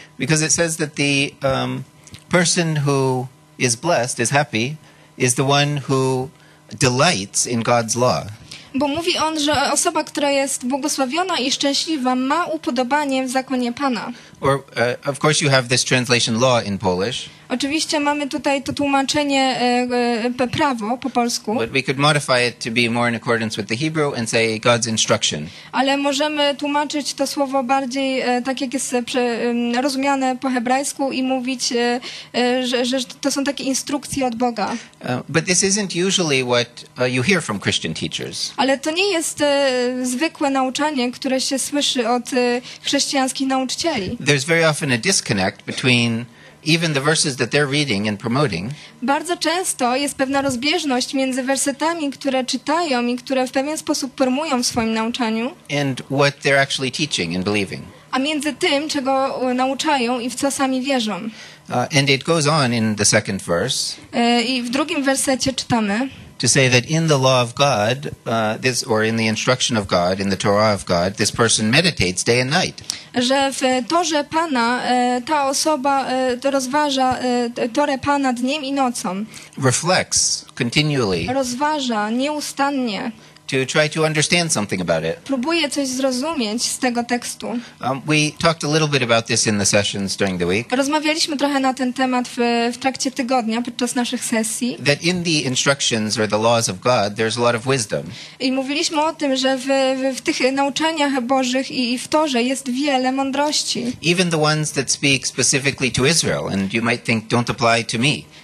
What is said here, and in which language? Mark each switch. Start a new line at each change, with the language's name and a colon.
English: Because it says that the person who is blessed, is happy, is the one who delights in God's law.
Polish: Bo mówi on, że osoba, która jest błogosławiona i szczęśliwa, ma upodobanie w zakonie Pana.
English: Of course you have this translation law in Polish.
Polish: Oczywiście mamy tutaj to tłumaczenie prawo po polsku.
English: But we could modify it to be more in accordance with the Hebrew and say God's instruction.
Polish: Ale możemy tłumaczyć to słowo bardziej tak, jak jest rozumiane po hebrajsku i mówić, że to są takie instrukcje od Boga.
English: But this isn't usually what you hear from Christian teachers.
Polish: Ale to nie jest zwykłe nauczanie, które się słyszy od chrześcijańskich nauczycieli.
English: There's very often a disconnect between even the verses that they're reading and promoting.
Polish: Bardzo często jest pewna rozbieżność między wersetami, które czytają i które w pewien sposób promują w swoim nauczaniu.
English: And what they're actually teaching and believing.
Polish: A między tym, czego nauczają i w co sami wierzą.
English: And it goes on in the second verse.
Polish: I w drugim wersecie czytamy.
English: To say that in the law of God, this or in the instruction of God, in the Torah of God, this person meditates day and night.
Polish: Że w Torze Pana ta osoba rozważa Torę Pana dniem i nocą.
English: Reflects continually.
Polish: Rozważa nieustannie.
English: to try to understand something about it.
Polish: Próbuję coś zrozumieć z tego tekstu.
English: We talked a little bit about this in the sessions during the week.
Polish: Rozmawialiśmy trochę na ten temat w trakcie tygodnia podczas naszych sesji.
English: That in the instructions or the laws of God, there's a lot of wisdom.
Polish: I mówiliśmy o tym, że w tych nauczaniach Bożych i w Torze jest wiele mądrości.
English: Even the ones that speak specifically to Israel, and you might think don't apply to me.